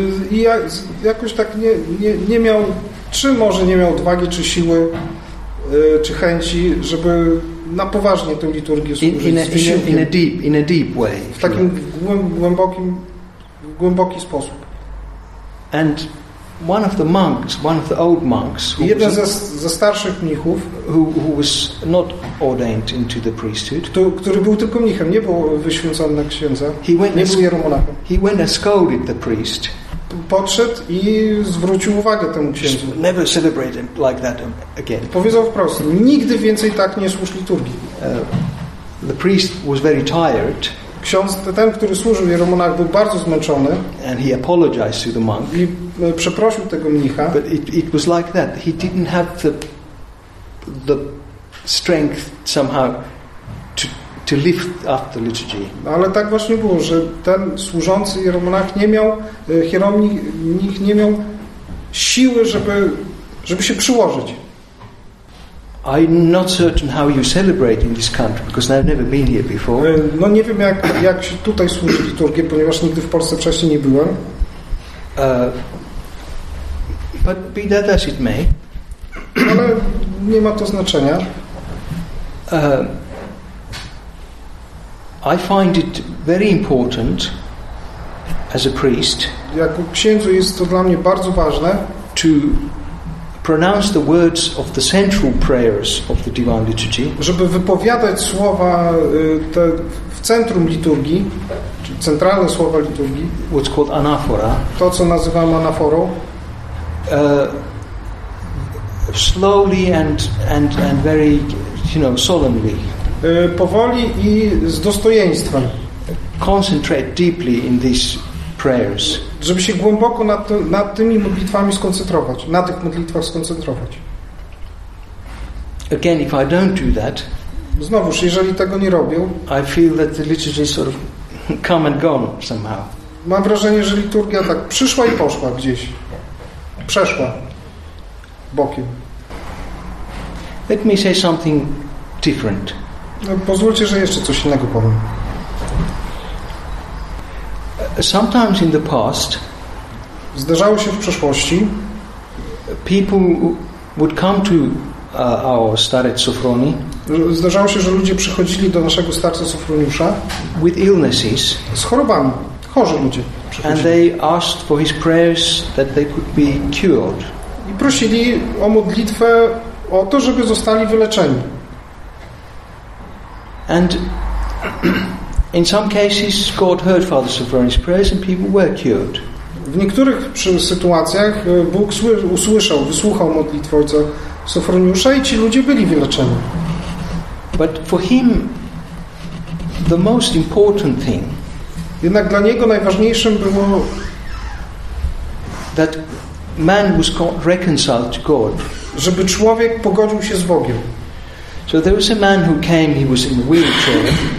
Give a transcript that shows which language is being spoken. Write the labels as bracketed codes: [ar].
[pl] I jakoś tak nie miał, czy może nie miał odwagi czy siły czy chęci, żeby na poważnie tę liturgię służyć. [en] In a deep way. [pl] W takim głębokim, głęboki sposób. [en] And one of the monks, one of the old monks, [pl] jeden ze starszych mnichów, [en] who was not ordained into the priesthood, [pl] który był tylko mnichem, nie był wyświęcony na księdza, nie był jeromonachem. [en] He went and scolded the priest. [pl] Podszedł i zwrócił uwagę temu księdzu. [en] Never celebrate like that again. [pl] Powiedział wprost: nigdy więcej tak nie służ liturgii. [en] The priest was very tired. [pl] Ksiądz, ten, który służył jeromonach, był bardzo zmęczony. [en] And he apologized to the monk. [pl] I przeprosił tego mnicha. [en] But it was like that. He didn't have the strength somehow to lift up the liturgy. [pl] Ale tak właśnie było, że ten służący jeromonach nie miał, hieromnich nie miał siły, żeby się przyłożyć. [en] I'm not certain how you celebrate in this country, because I've never been here before. [pl] No nie wiem, jak się tutaj służy liturgię, ponieważ nigdy w Polsce wcześniej nie byłem. [en] But be that as it may. [pl] Ale nie ma to znaczenia. [en] I find it very important as a priest. [pl] Jako księdzu jest to dla mnie bardzo ważne. [en] To pronounce the words of the central prayers of the Divine Liturgy. [pl] Żeby wypowiadać słowa te w centrum liturgii, czyli centralne słowa liturgii, [en] what's called anafora. [pl] To co nazywamy anaforą. [en] Slowly and very, you know, solemnly. [pl] Powoli i z dostojeństwem. [en] Concentrate deeply in these prayers. [pl] Żeby się głęboko nad tymi modlitwami skoncentrować, na tych modlitwach skoncentrować. [en] Again, if I don't do that, [pl] znowuż, jeżeli tego nie robię, [en] I feel that the liturgy sort of come and gone somehow. [pl] Mam wrażenie, że liturgia tak przyszła i poszła gdzieś. Przeszła bokiem. [en] Let me say something different. [pl] Pozwólcie, że jeszcze coś innego powiem. [en] Sometimes in the past, [pl] zdarzało się w przeszłości, [en] people would come to our starec Sofroni. [pl] Zdarzało się, że ludzie przychodzili do naszego starca Sofroniusza [en] with illnesses, [pl] z chorobami, chorzy ludzie. [en] And they asked for his prayers that they could be cured. [pl] I prosili o modlitwę o to, żeby zostali wyleczeni. [en] And in some cases God heard Father Sofroni's prayers and people were cured. [pl] W niektórych sytuacjach Bóg wysłuchał modlitwę ojca Sofroniusza i ci ludzie byli wyleczeni. [en] But for him the most important thing, [pl] jednak dla niego najważniejszym było, [en] that man was reconciled to God, [pl] żeby człowiek pogodził się z Bogiem. [en] So there was a man who came, he was in a wheelchair.